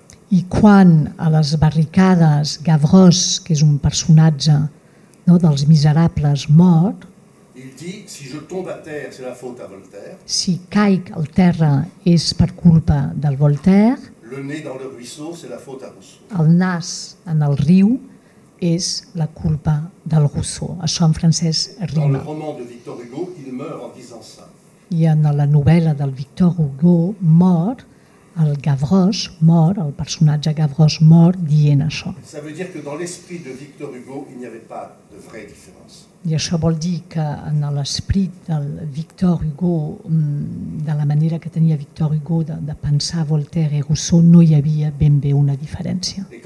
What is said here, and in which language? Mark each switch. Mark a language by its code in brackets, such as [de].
[ca] I quan a les barricades Gavroche, que és un personatge dels Miserables, mort, si caic al terra és per culpa del Voltaire. [fr] Le nez dans le ruisseau, c'est la faute à Rousseau. [ca] El nas en el riu és la culpa del Rousseau. Això en francès rima. [fr] Dans le roman de Victor Hugo, il meurt en disant ça. [ca] I en la novel·la del Victor Hugo mor el Gavroche, mor el personatge Gavroche, mor dient això. [fr] Ça veut dire que dans l'esprit de Victor Hugo, il n'y avait pas de vraie différence. [ca] I això vol dir que en l'esperit del Victor Hugo, de la manera que tenia Victor Hugo de pensar Voltaire i Rousseau, no hi havia ben bé una diferència.